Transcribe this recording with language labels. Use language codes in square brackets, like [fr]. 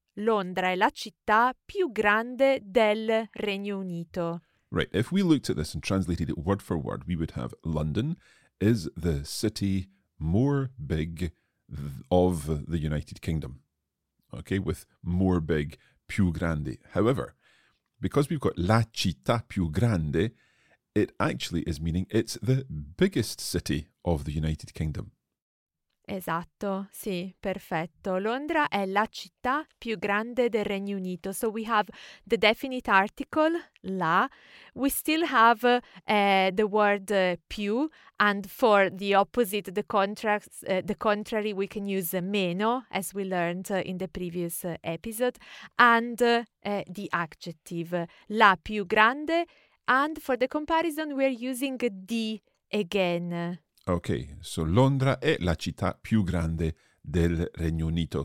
[it] Londra è la città più grande del Regno Unito. [en] Right. If we looked at this and translated it word for word, we would have London is the city more big of the United Kingdom. Okay, with more big, più grande. However, because we've got [it] la città più grande, [en] it actually is meaning it's the biggest city of the United Kingdom. [it] Esatto, sì, perfetto. Londra è la città più grande del Regno Unito. [en] So we have the definite article, la. We still have the word più, and for the opposite, the contrary, we can use meno, as we learned in the previous episode, and the adjective, [it] la più grande. [en] And for the comparison, we're using di again. Okay, so [it] Londra è la città più grande del Regno Unito.